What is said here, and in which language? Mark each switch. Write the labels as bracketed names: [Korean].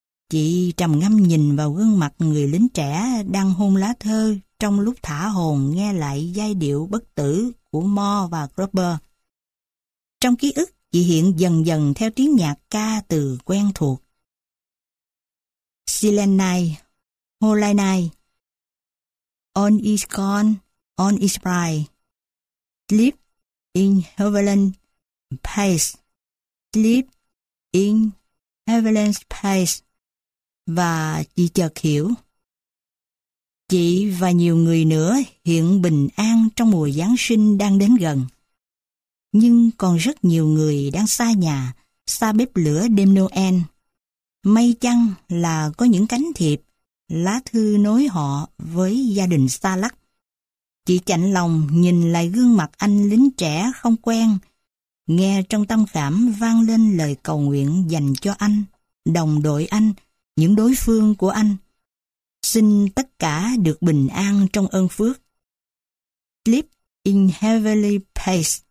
[Vietnamese] Chị trầm ngâm nhìn vào gương mặt người lính trẻ đang hôn lá thơ trong lúc thả hồn nghe lại giai điệu bất tử của Moore và Cropper. Trong ký ức, chị hiện dần dần theo tiếng nhạc ca từ quen thuộc. [English] Silent night, holy night, all is gone, all is bright, sleep in heavenly peace, sleep in heavenly peace. [Vietnamese] Và chị chợt hiểu. Chị và nhiều người nữa hiện bình an trong mùa Giáng sinh đang đến gần. Nhưng còn rất nhiều người đang xa nhà, xa bếp lửa đêm Noel. May chăng là có những cánh thiệp, lá thư nối họ với gia đình xa lắc. Chị chạnh lòng nhìn lại gương mặt anh lính trẻ không quen, nghe trong tâm khảm vang lên lời cầu nguyện dành cho anh, đồng đội anh, những đối phương của anh. Xin tất cả được bình an trong ơn phước. [English] Sleep in heavenly peace.